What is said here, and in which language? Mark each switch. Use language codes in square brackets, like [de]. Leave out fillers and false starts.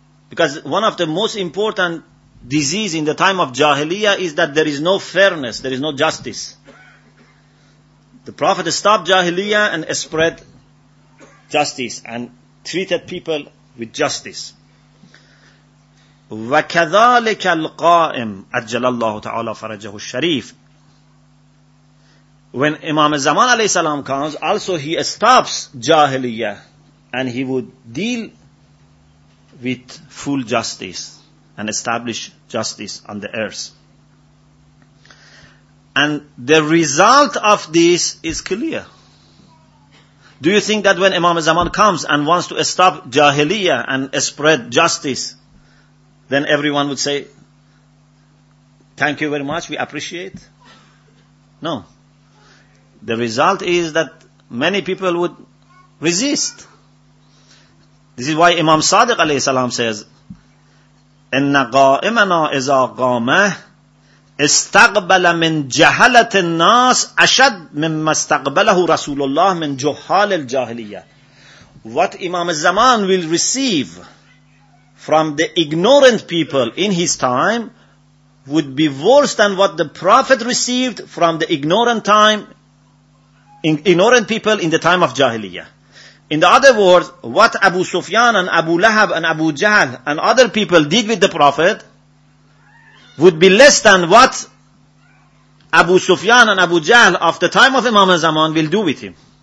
[en] Because one of the most important diseases in the time of Jahiliyyah is that there is no fairness, there is no justice. The Prophet stopped Jahiliyyah and spread justice and treated people with justice. [ar] وَكَذَلِكَ الْقَائِمِ أَجَّلَ اللَّهُ تَعَالَى فَرَجَهُ الشَّرِيفِ. [en] When Imam Zaman alayhi salam comes, also he stops Jahiliyyah and he would deal with full justice and establish justice on the earth. And the result of this is clear. Do you think that when Imam Zaman comes and wants to stop Jahiliyyah and spread justice, then everyone would say, thank you very much, we appreciate? No. The result is that many people would resist. This is why Imam Sadiq alayhi salam says, [ar] إِنَّ قَائِمَنَا إِذَا قَامَهِ اسْتَقْبَلَ مِنْ جَهَلَةِ النَّاسِ أَشَدْ مِمَّا اسْتَقْبَلَهُ رَسُولُ اللَّهِ مِنْ جُهَّالِ الْجَاهِلِيَّةِ. [en] What Imam al-Zaman will receive from the ignorant people in his time would be worse than what the Prophet received from the ignorant time, ignorant people in the time of Jahiliyyah. In the other words, what Abu Sufyan and Abu Lahab and Abu Jahl and other people did with the Prophet would be less than what Abu Sufyan and Abu Jahl of the time of Imam al-Zaman will do with him.